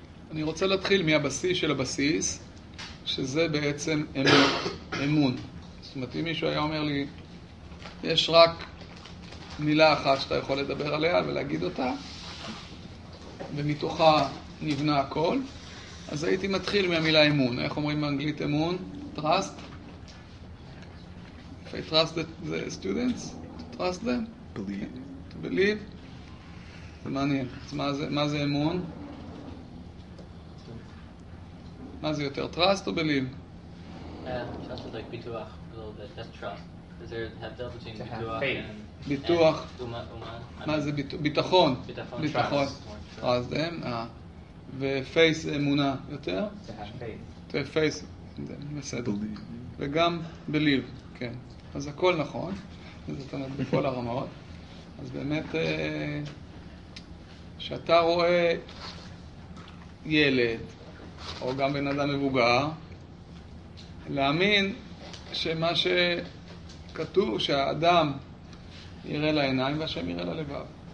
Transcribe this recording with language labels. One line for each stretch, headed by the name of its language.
Hebrew: אני רוצה להתחיל מהבסיס של הבסיס, שזה בעצם אמון. זאת אומרת, אם מישהו היה אומר לי, יש רק מילה אחת שאתה יכול לדבר עליה ולהגיד אותה, ומתוכה נבנה הכל, אז הייתי מתחיל מהמילה אמון. איך אומרים באנגלית אמון?
English: Trust. If I trust the students, trust them. Believe. To believe.
Hebrew: זה מעניין. אז מה זה אמון? מה זה יותר?
English: Trust או believe? Trust is like ביטוח. A little bit. That's trust. Because there have difference between
Hebrew: ביטוח. ביטוח. מה זה ביטוח? ביטחון. ביטחון.
English: Trust them.
Hebrew: ופייס זה אמונה יותר?
English: זה have faith.
Hebrew: זה פייס, בסדר. וגם בליב, כן. אז הכל נכון, זאת אומרת בכל הרמות. אז באמת, כשאתה רואה ילד, או גם בן אדם מבוגר, להאמין שמה שכתוב, שהאדם יראה לעיניים והשם יראה ללבב.